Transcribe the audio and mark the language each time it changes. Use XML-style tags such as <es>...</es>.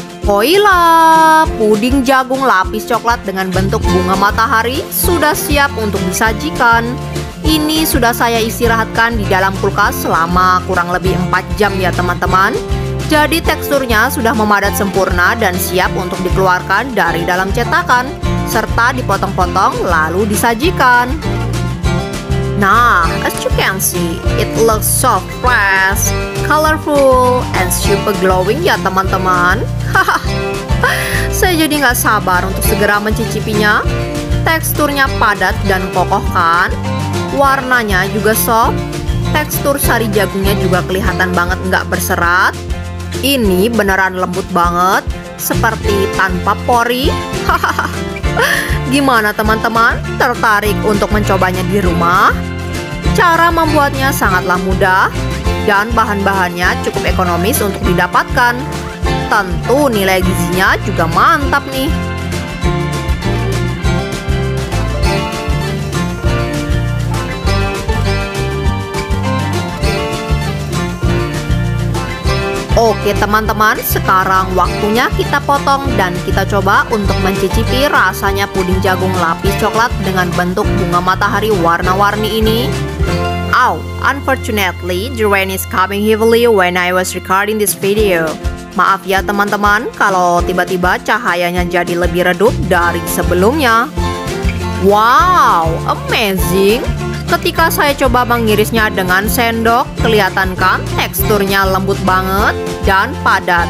<id>Hoila, puding jagung lapis coklat dengan bentuk bunga matahari sudah siap untuk disajikan. Ini sudah saya istirahatkan di dalam kulkas selama kurang lebih 4 jam ya teman-teman. Jadi teksturnya sudah memadat sempurna dan siap untuk dikeluarkan dari dalam cetakan, serta dipotong-potong lalu disajikan.</id> <en>Nah, as you can see, it looks so fresh, colorful, and super glowing</en> <id>ya teman-teman. Saya jadi gak sabar untuk segera mencicipinya. Teksturnya padat dan kokoh kan? Warnanya juga soft. Tekstur sari jagungnya juga kelihatan banget gak berserat. Ini beneran lembut banget, seperti tanpa pori. Gimana teman-teman? Tertarik untuk mencobanya di rumah? Cara membuatnya sangatlah mudah dan bahan-bahannya cukup ekonomis untuk didapatkan. Tentu nilai gizinya juga mantap nih. Oke teman-teman, sekarang waktunya kita potong dan kita coba untuk mencicipi rasanya puding jagung lapis coklat dengan bentuk bunga matahari warna-warni ini.</id> <en>Wow, unfortunately, the rain is coming heavily when I was recording this video.</en> <id>Maaf ya teman-teman, kalau tiba-tiba cahayanya jadi lebih redup dari sebelumnya.</id> <en>Wow, amazing!</en> <id>Ketika saya coba mengirisnya dengan sendok, kelihatan kan teksturnya lembut banget dan padat.</id>